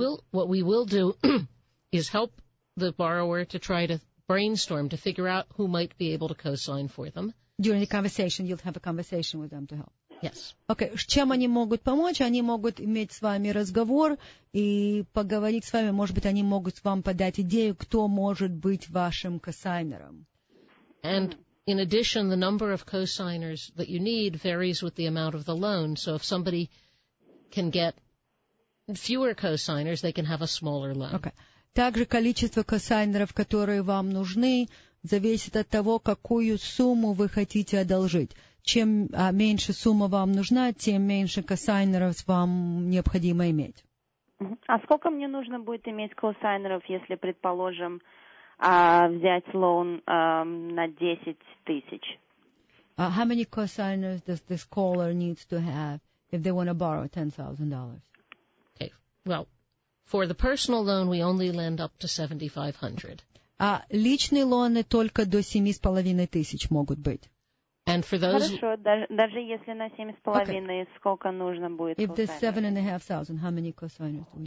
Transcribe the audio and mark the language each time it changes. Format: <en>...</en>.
<en>What we will do is help the borrower to try to brainstorm, to figure out who might be able to co-sign for them. During the conversation, you'll have a conversation with them to help. Yes.</en> <ru>Okay. Чем они могут помочь? Они могут иметь с вами разговор и поговорить с вами. Может быть, они могут вам подать идею, кто может быть вашим косайнером.</ru> <en>And in addition, the number of cosigners that you need varies with the amount of the loan. So if somebody can get fewer cosigners, they can have a smaller loan. Okay.</en> <ru>Также количество косайнеров, которые вам нужны, зависит от того, какую сумму вы хотите одолжить. Чем меньше сумма вам нужна, тем меньше косайнеров вам необходимо иметь. А сколько мне нужно будет иметь косайнеров, если, предположим, взять лоун на 10 тысяч?</ru> <en>How many cosigners does this caller needs to have if they want to borrow $10,000? Okay. Well, for the personal loan, we only lend up to $7,500.</en> <ru>А личные лоны только до 7,500 могут быть.</ru> <en>And for those...</en> <ru>Хорошо, даже если на 7,500,</ru> <en>okay.</en> <ru>Сколько нужно будет</ru> <en>cosigners? If there's 7,500, how many cosigners do we need?</en>